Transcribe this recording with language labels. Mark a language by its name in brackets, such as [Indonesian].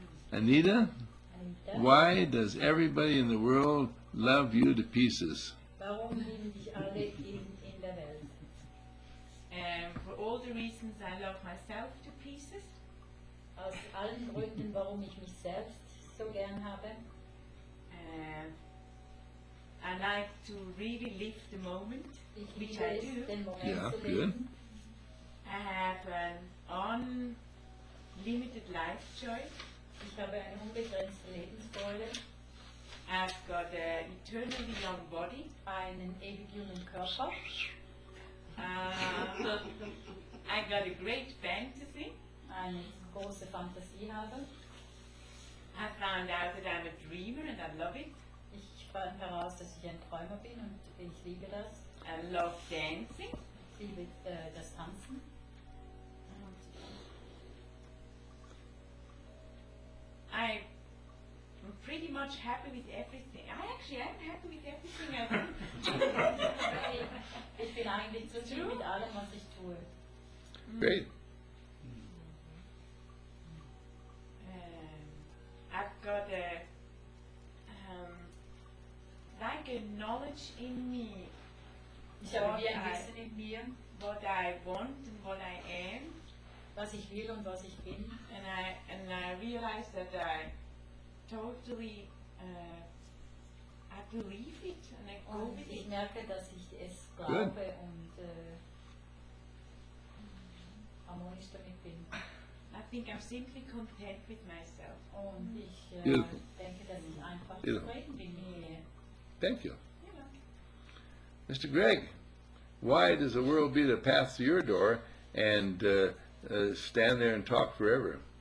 [English] Anita, why does everybody in the world love you to pieces? [German] Warum lieben dich alle in der Welt? [English] For all the reasons I love myself to pieces. [German] Aus allen Gründen, warum ich mich selbst so gern habe. [English] I like to really live the moment, [German] ich [English] which [German] liebe [English] I do. [German] Den Moment yeah, zu leben. [English] Good. I have an unlimited life joy. [German] Ich habe eine unbegrenzte Lebensfreude. [English] I've got an eternally young body. [German] Einen ewig jungen Körper. [English] I got a great fantasy. [German] Eine große Fantasie habe. [English] I found out that I'm a dreamer and I love it. [German] Ich fand heraus, dass ich ein Träumer bin und ich liebe das. [English] I love dancing. [German] Ich liebe das Tanzen. [English] I'm pretty much happy with everything. I actually am happy with everything I do. [German] Ich bin eigentlich zufrieden mit allem, was ich tue. [English] Great. I've got a like a knowledge in me. [German] Ich habe wie ein Wissen in mir. [English] What I want and what I am. [German] Was ich will und was ich bin. [English] And I realize that I totally I believe it and I go with it. [German] Ich merke, dass ich es glaube Good. Und harmonisch damit bin. [English] I think I'm simply content with myself. [German] Und ich denke, dass ich einfach zufrieden bin hier. [English] Thank you. Mr. Greg, why does the world beat a path to your door and stand there and talk forever?